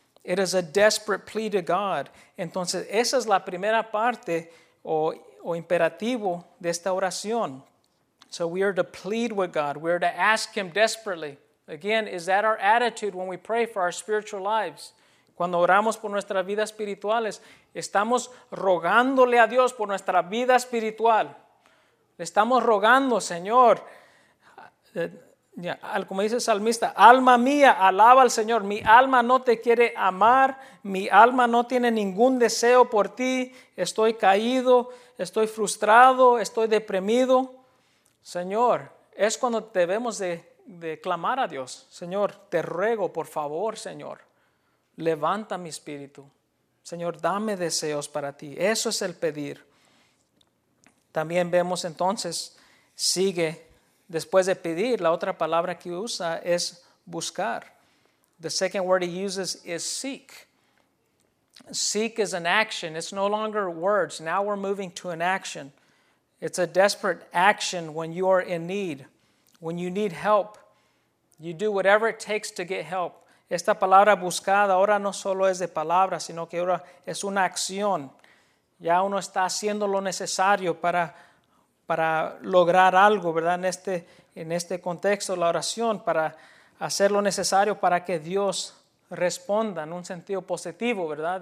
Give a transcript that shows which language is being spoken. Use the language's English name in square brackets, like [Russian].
[English] It is a desperate plea to God. [Spanish] Entonces, esa es la primera parte o imperativo de esta oración. [English] So we are to plead with God. We are to ask Him desperately. Again, is that our attitude when we pray for our spiritual lives? [Spanish] Cuando oramos por nuestras vidas espirituales, estamos rogándole a Dios por nuestra vida espiritual. Estamos rogando, Señor. Como dice el salmista, alma mía, alaba al Señor. Mi alma no te quiere amar. Mi alma no tiene ningún deseo por ti. Estoy caído, estoy frustrado, estoy deprimido. Señor, es cuando debemos de clamar a Dios. Señor, te ruego, por favor, Señor, levanta mi espíritu. Señor, dame deseos para ti. Eso es el pedir. También vemos entonces, sigue después de pedir, la otra palabra que usa es buscar. [English] The second word he uses is seek. Seek is an action. It's no longer words. Now we're moving to an action. It's a desperate action when you are in need. When you need help, you do whatever it takes to get help. [Spanish] Esta palabra buscada ahora no solo es de palabras, sino que ahora es una acción. Ya uno está haciendo lo necesario para lograr algo, ¿verdad? En este contexto, la oración, para hacer lo necesario para que Dios responda en un sentido positivo, ¿verdad?